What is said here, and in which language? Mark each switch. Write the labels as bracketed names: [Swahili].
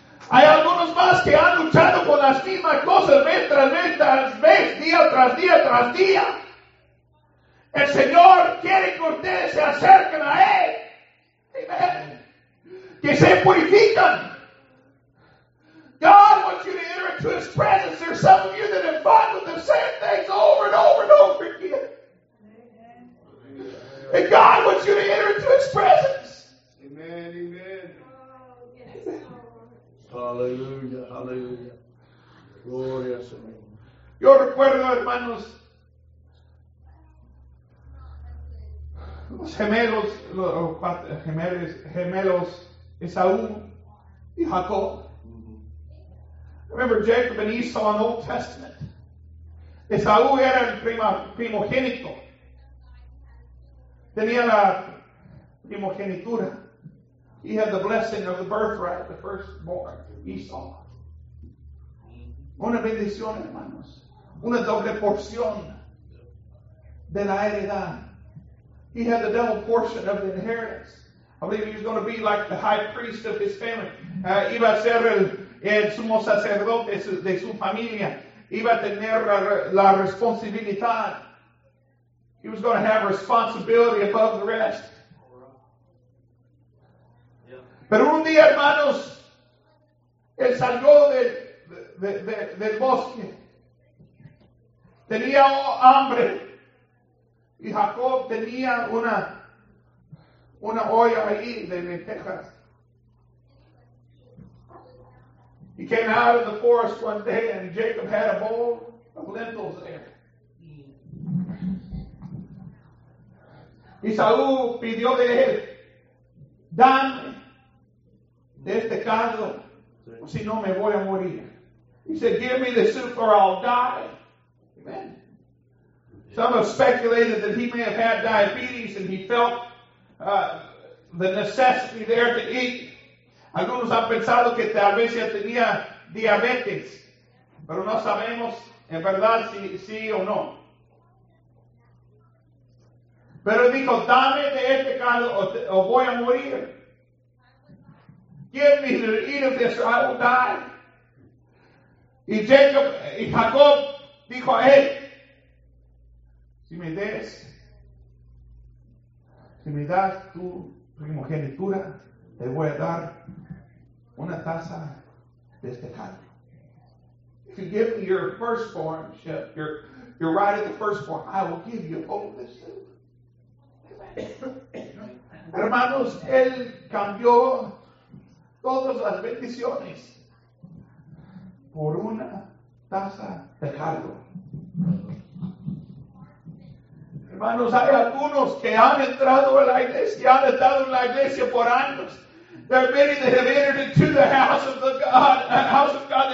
[Spanish] Hay algunos más que han luchado con la las mismas cosas vez tras vez, día tras día tras día. El Señor quiere que ustedes se acerquen a Él. Amen. Que se purifican. [English] God wants you to enter into His presence. There's some of you that have fought with the same things over and over and over again. And God wants you to enter into His presence. Amen, amen. [Spanish] Hallelujah, hallelujah. Gloria a Dios. Yo recuerdo, hermanos, los gemelos, los gemelos Esaú y Jacob. [English] Remember Jacob and Esau in the Old Testament. [Spanish] Esaú era el primogénito. Tenía la primogenitura. [English] He had the blessing of the birthright, the firstborn, Esau. [Spanish] Una bendición, hermanos. Una doble porción de la heredad. [English] He had the double portion of the inheritance. I believe he was going to be like the high priest of his family. [Spanish] Iba a ser el sumo sacerdote de su familia. Iba a tener la responsabilidad. [English] He was going to have responsibility above the rest. [Spanish] Pero un día, hermanos, él salió del bosque. Tenía hambre. Y Jacob tenía una olla ahí de lentejas. [English] He came out of the forest one day and Jacob had a bowl of lentils there. [Spanish] Y Saúl pidió de él, dame de este caldo, si no me voy a morir. [English] He said, give me the soup or I'll die. Amen. Some have speculated that he may have had diabetes and he felt the necessity there to eat. [Spanish] Algunos han pensado que tal vez ya tenía diabetes, pero no sabemos en verdad si sí o no. Pero dijo, dame de este caldo o voy a morir. [English] Give me to eat of this or I will die. [Spanish] Y Jacob dijo a él, si me das tu primogenitura, te voy a dar una taza de este caldo. [English] If you give me your firstborn, your right of the firstborn, I will give you all of this. [Spanish] Hermanos, él cambió todas las bendiciones por una taza de caldo. Hermanos, hay algunos que han entrado a la iglesia, han estado en la iglesia por años. [English] There are many that have entered into the house of God.